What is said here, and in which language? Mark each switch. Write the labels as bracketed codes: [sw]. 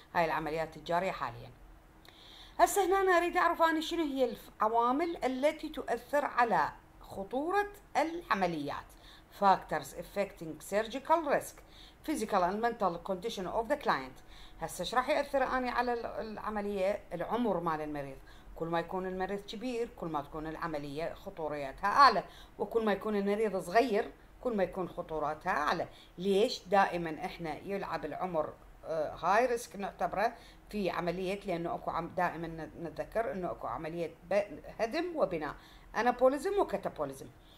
[ar] هاي العمليات الجاريه حاليا. هسه هنا انا اريد اعرف انا شنو هي العوامل التي تؤثر على خطوره العمليات. [en] Factors affecting surgical risk, physical and mental condition of the client. [ar] هسه ايش راح ياثر اني على العمليه؟ العمر مال المريض. كل ما يكون المريض كبير كل ما تكون العمليه خطورتها اعلى، وكل ما يكون المريض صغير كل ما يكون خطورتها اعلى. ليش؟ دائما احنا يلعب العمر هاي ريسك نعتبره في عمليه، لانه اكو دائما نتذكر انه اكو عمليه هدم وبناء، انابوليزم وكاتابوليزم.